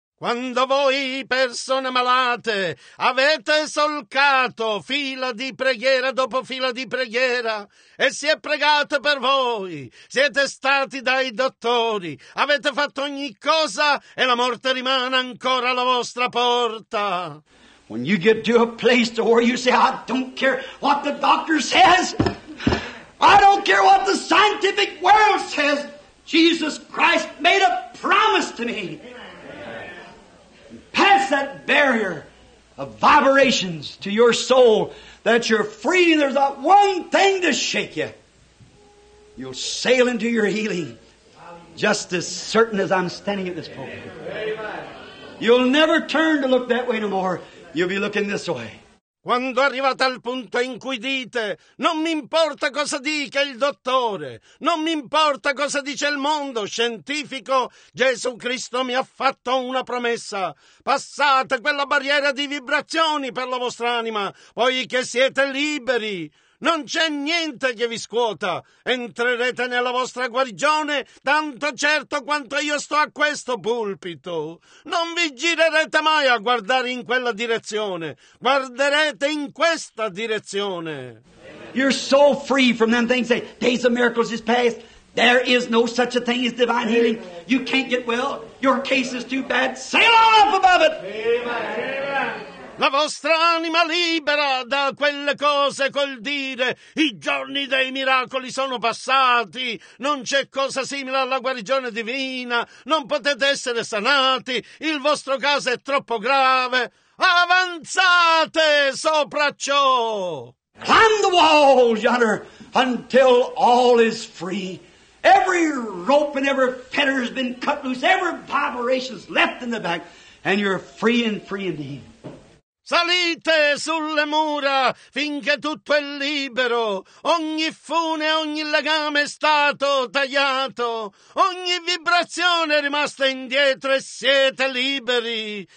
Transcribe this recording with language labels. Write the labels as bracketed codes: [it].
[it] Quando voi, persone malate, avete solcato fila di preghiera dopo fila di preghiera e si è pregato per voi, siete stati dai dottori, avete fatto ogni cosa e la morte rimane ancora alla vostra porta. [en] When you get to a place to where you say, I don't care what the doctor says, I don't care what the scientific world says, Jesus Christ made a promise to me. Pass that barrier of vibrations to your soul that you're free. There's not one thing to shake you. You'll sail into your healing just as certain as I'm standing at this pulpit. You'll never turn to look that way no more. You'll be looking this way. [it] Quando arrivate al punto in cui dite, non mi importa cosa dica il dottore, non mi importa cosa dice il mondo scientifico, Gesù Cristo mi ha fatto una promessa. Passate quella barriera di vibrazioni per la vostra anima, poiché siete liberi. Non c'è niente che vi scuota. Entrerete nella vostra guarigione, tanto certo quanto io sto a questo pulpito. Non vi girerete mai a guardare in quella direzione. Guarderete in questa direzione. [en] You're so free from them things. Say, days of miracles is past. There is no such a thing as divine healing. You can't get well. Your case is too bad. Sail on up above it. [it] La vostra anima libera da quelle cose col dire i giorni dei miracoli sono passati, non c'è cosa simile alla guarigione divina, non potete essere sanati, il vostro caso è troppo grave. Avanzate sopra ciò! [en] Climb the walls yonder until all is free. Every rope and every fetter has been cut loose, every vibration is left in the back, and you're free and free indeed. [it] Salite sulle mura finché tutto è libero. Ogni fune, ogni legame è stato tagliato. Ogni vibrazione è rimasta indietro e siete liberi.